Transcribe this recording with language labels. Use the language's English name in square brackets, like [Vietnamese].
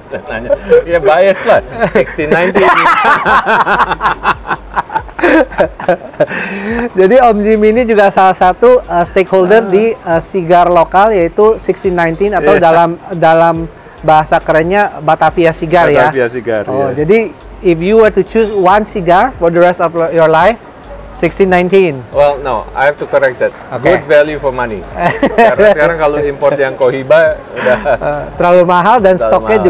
[Indonesian] Nanya, ya bias lah, 1690. Jadi Om Jim ini juga salah satu stakeholder di sigar lokal yaitu 1690 atau dalam bahasa kerennya Batavia Sigar ya. Batavia Sigar. [English] Oh, yeah. Jadi if you were to choose one cigar for the rest of your life, 1619. Well, no, I have to correct that. Okay. Good value for money. [Indonesian] Karena sekarang kalau import yang Cohiba udah terlalu mahal dan terlalu stoknya mahal.